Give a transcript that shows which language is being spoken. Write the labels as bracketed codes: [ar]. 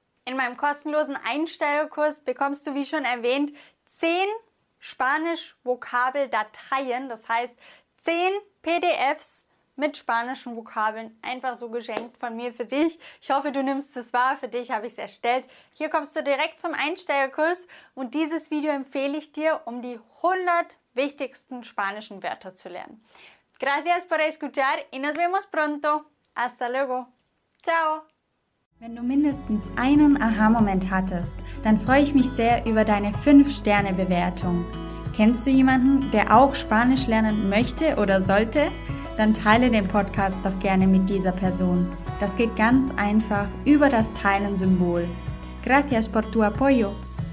[de] In meinem kostenlosen Einsteigerkurs bekommst du, wie schon erwähnt, 10 Spanisch-Vokabeldateien, das heißt 10 PDFs mit spanischen Vokabeln, einfach so geschenkt von mir für dich. Ich hoffe, du nimmst es wahr. Für dich habe ich es erstellt. Hier kommst du direkt zum Einsteigerkurs und dieses Video empfehle ich dir, um die 100 wichtigsten spanischen Wörter zu lernen. [es] Gracias por escuchar y nos vemos pronto. Hasta luego. Ciao. [de] Wenn du mindestens einen Aha-Moment hattest, dann freue ich mich sehr über deine 5-Sterne-Bewertung. Kennst du jemanden, der auch Spanisch lernen möchte oder sollte? Dann teile den Podcast doch gerne mit dieser Person. Das geht ganz einfach über das Teilen-Symbol. [es] Gracias por tu apoyo.